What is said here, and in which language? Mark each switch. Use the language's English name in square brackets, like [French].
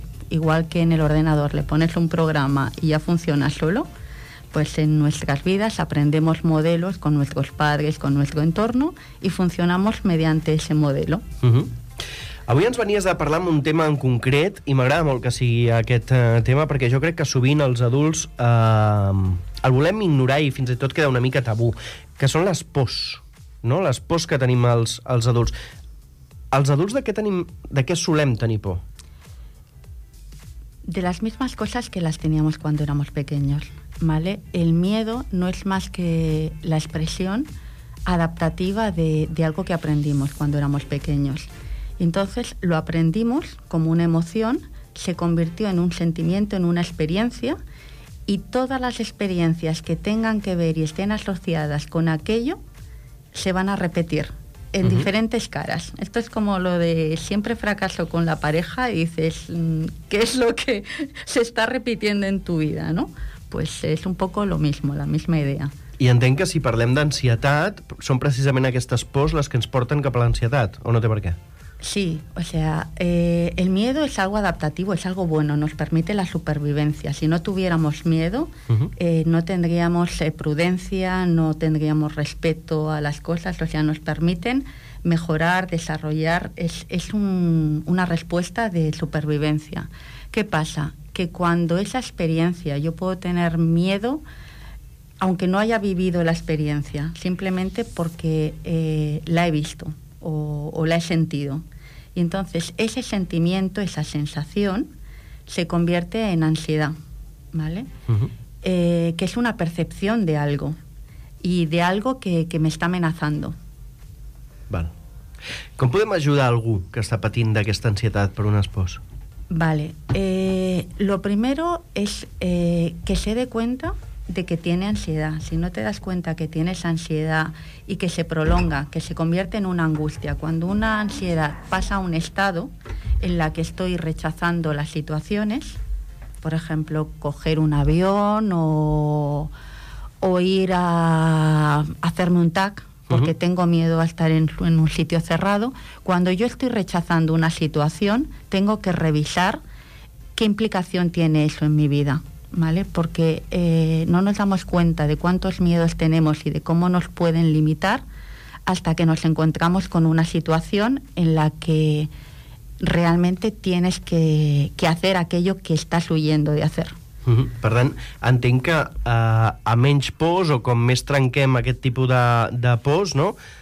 [Spanish] Igual que en el ordenador le pones un programa y ya funciona solo, pues en nuestras vidas aprendemos modelos con nuestros padres, con nuestro entorno, y funcionamos mediante ese modelo. Uh-huh. [Catalan] Avui ens venies de parlar amb un tema en concret, i m'agrada molt que sigui aquest tema, perquè jo crec que sovint els adults el volem ignorar i fins i tot queda una mica tabú, que són les pors, no? Les pors que tenim els adults. Els adults de què solem tenir por? [Spanish] De las mismas cosas que las teníamos cuando éramos pequeños, ¿vale? El miedo no es más que la expresión adaptativa de algo que aprendimos cuando éramos pequeños. Entonces, lo aprendimos como una emoción, se convirtió en un sentimiento, en una experiencia, y todas las experiencias que tengan que ver y estén asociadas con aquello se van a repetir en uh-huh. diferentes caras. Esto es como lo de siempre fracaso con la pareja y dices, ¿qué es lo que se está repitiendo en tu vida, no? Pues es un poco lo mismo, la misma idea. [Catalan] I entenc que si parlem d'ansietat, són precisament aquestes pors les que ens porten cap a l'ansietat, o no té per què? [Spanish] Sí, o sea, el miedo es algo adaptativo, es algo bueno, nos permite la supervivencia. Si no tuviéramos miedo, uh-huh. No tendríamos prudencia, no tendríamos respeto a las cosas, o sea, nos permiten mejorar, desarrollar, es una respuesta de supervivencia. ¿Qué pasa? Que cuando esa experiencia, yo puedo tener miedo, aunque no haya vivido la experiencia, simplemente porque la he visto. O la he sentido. Y entonces ese sentimiento, esa sensación, se convierte en ansiedad, ¿vale? Uh-huh. Que es una percepción de algo y de algo que me está amenazando. Vale. [Catalan] ¿Com podem ajudar algú que està patint d'aquesta ansietat per un espòs? [Spanish] Vale. Lo primero es que se dé cuenta de que tiene ansiedad. Si no te das cuenta que tienes ansiedad y que se prolonga, que se convierte en una angustia, cuando una ansiedad pasa a un estado en la que estoy rechazando las situaciones, por ejemplo, coger un avión o ir a hacerme un TAC porque uh-huh. tengo miedo a estar en un sitio cerrado, cuando yo estoy rechazando una situación, tengo que revisar qué implicación tiene eso en mi vida. ¿Vale? Porque no nos damos cuenta de cuántos miedos tenemos y de cómo nos pueden limitar hasta que nos encontramos con una situación en la que realmente tienes que hacer aquello que estás huyendo de hacer. Uh-huh. [Catalan] Per tant, entenc que a menys pors o com més trenquem aquest tipus de pors, no?